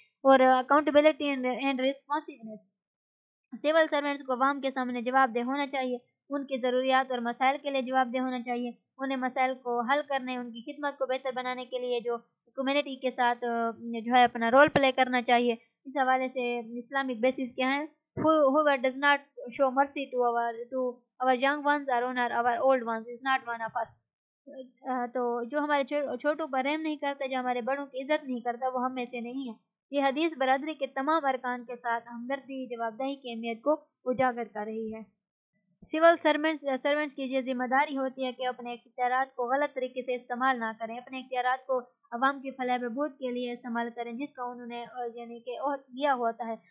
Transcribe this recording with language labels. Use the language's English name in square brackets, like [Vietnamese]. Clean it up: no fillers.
[Urdu] اور accountability and ریسپانسونیس, civil servants کو عوام کے سامنے جواب دہ ہونا چاہیے, ان کی ضروریات اور مسائل کے لیے جواب دہ ہونا چاہیے, انہیں مسائل کو حل کرنے, ان کی خدمت کو بہتر بنانے کے لیے جو کمیونٹی کے ساتھ جو ہے اپنا رول پلے کرنا چاہیے. اس حوالے سے اسلامک بیسز کیا ہیں, [English] whoever does not show mercy to our young ones or honor our old ones is not one of us. [Urdu] تو جو ہمارے چھوٹوں پر رحم نہیں کرتا, جو ہمارے بڑوں کی عزت نہیں کرتا, وہ ہم میں سے نہیں ہے. یہ حدیث برادری کے تمام ارکان کے ساتھ ہمدردی, جواب دہی کی اہمیت کو اجاگر کر رہی ہے. سول سروینٹس کی یہ ذمہ داری ہوتی ہے کہ اپنے اختیارات کو غلط طریقے سے استعمال نہ کریں, اپنے اختیارات کو عوام کی فلاح بہبود کے لیے استعمال کریں جس کا انہوں نے یعنی کہ عہد لیا ہوتا ہے.